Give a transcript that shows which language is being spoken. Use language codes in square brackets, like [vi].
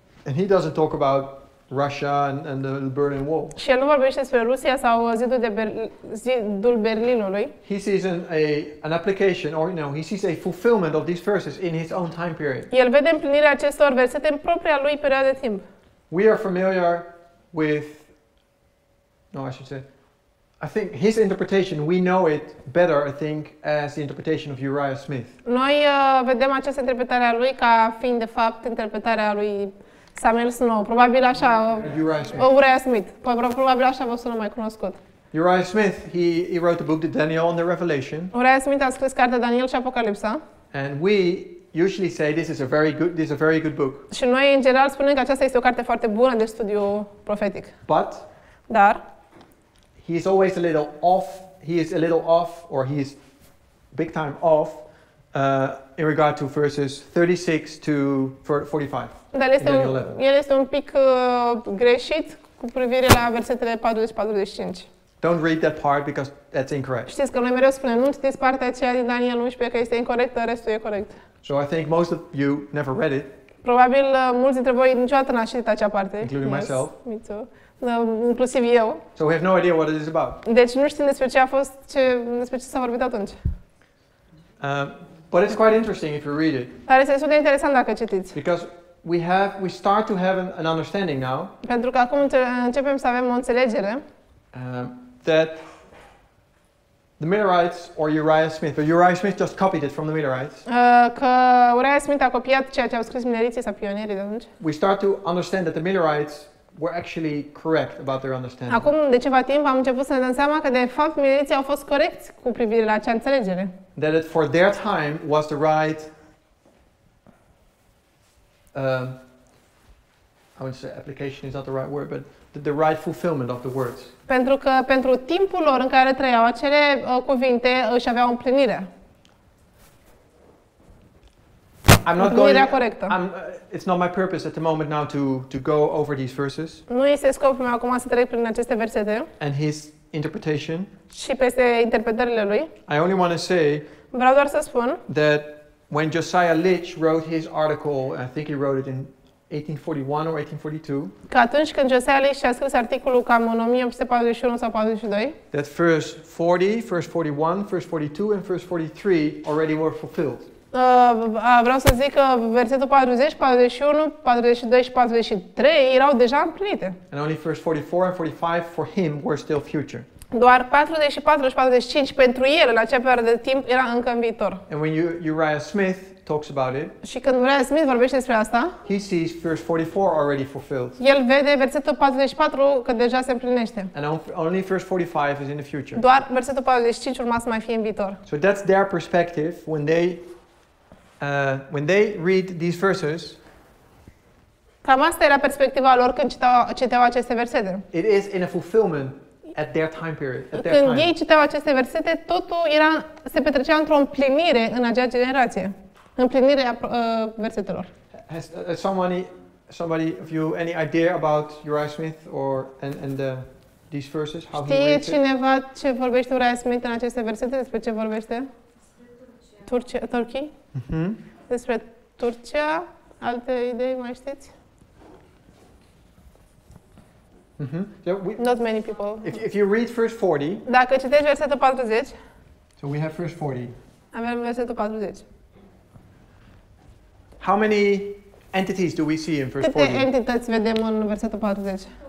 [en] And he doesn't talk about Russia and the Berlin Wall. [ro] Și el nu vorbește despre Rusia sau zidul Berlinului. [en] He sees an application or no, he sees a fulfillment of these verses in his own time period. [ro] El vede împlinirea acestor versete în propria lui perioadă de timp. [en] We are familiar with I think his interpretation, we know it better, I think, as the interpretation of Uriah Smith. [ro] Noi vedem această interpretare a lui ca fiind, de fapt, interpretarea lui Samuel Snow. Probabil așa, Uriah Smith. Probabil așa vă sună mai cunoscut. [en] Uriah Smith, he wrote the book The Daniel and the Revelation. [ro] Uriah Smith a scris cartea Daniel și Apocalipsa. [en] And we usually say this is a very good book. [ro] Și noi, în general, spunem că aceasta este o carte foarte bună de studiu profetic. [en] But [ro] dar [en] he is always a little off, he is big time off in regard to verses 36 to 45. [ro] Dar este un pic greșit cu privire la versetele 40-45. [en] Don't read that part because that's incorrect. [ro] Știți că noi mereu spunem, nu citiți partea aceea din Daniel 11 că este incorrectă, restul e corect. [en] So I think most of you never read it. [ro] Probabil mulți dintre voi niciodată n-ați citit acea parte. [en] Including myself. Me too. [ro] Inclusiv eu. [en] So we have no idea what it is about. [ro] Deci nu știm despre ce s-a vorbit atunci. [en] But it's quite interesting if you read it. [ro] Dar este destul de interesant dacă citiți. [en] Because we start to have an understanding now. [ro] Pentru că acum începem să avem o înțelegere. [en] That the Millerites or Uriah Smith, but Uriah Smith just copied it from the Millerites. [ro] Că Uriah Smith a copiat ceea ce au scris Milleriții sau pionierii de atunci. [en] We start to understand that the Millerites were actually correct about their understanding. [ro] Acum de ceva timp am început să ne dăm seama că de fapt Milleriții au fost corecți cu privire la acea înțelegere. [en] That it for their time was the right I wouldn't say application is not the right word, but the right fulfillment of the words. [ro] Pentru că pentru timpul lor în care trăiau acele cuvinte își aveau împlinire. [en] I'm not going. [ro] Corectă. [en] It's not my purpose at the moment now to go over these verses. [ro] Nu este scopul meu acum să trec prin aceste versete. [en] And his interpretation. [ro] Și peste interpretările lui. [en] I only want to say. [ro] Vreau doar să spun. [en] That when Josiah Litch wrote his article, I think he wrote it in 1841 or 1842. [ro] Că atunci când Josiah Litch a scris articolul cam în 1841 sau 42. [en] That first 40, first 41, first 42 and first 43 already were fulfilled. [ro] Vreau să zic că versetul 40, 41, 42 și 43 erau deja împlinite. [en] And only first 44 and 45 for him were still future. [ro] Doar 44 și 45 pentru el la acea perioadă de timp era încă în viitor. [en] And when Uriah Smith talks about it. [ro] Și când Uriah Smith vorbește despre asta, [en] he sees verse 44 already fulfilled. [ro] El vede versetul 44 că deja se împlinește. [en] And only verse 45 is in the future. [ro] Doar versetul 45 urma să mai fie în viitor. [en] So that's their perspective when they read these verses. [ro] Cam asta era perspectiva lor când citeau aceste versete. [en] It is in a fulfillment at their time period. At [ro] când [en] their time. [ro] Ei citeau aceste versete, totul era se petrecea într-o împlinire în acea generație. Împlinirea versetelor. [en] Has somebody of you any idea about Uriah Smith or and these verses? How [ro] Știe cineva ce vorbește Uriah Smith în aceste versete? Despre ce vorbește? Turcia. Mm-hmm. Despre Turcia. Alte idei mai știți? [en] Mm-hmm. So not many people. If you read verse 40. [ro] Dacă citești versetul 40. [en] So we have verse 40. [ro] Avem versetul 40. [en] How many entities do we see in verse 40? [ro] Câte entități vedem în versetul 40?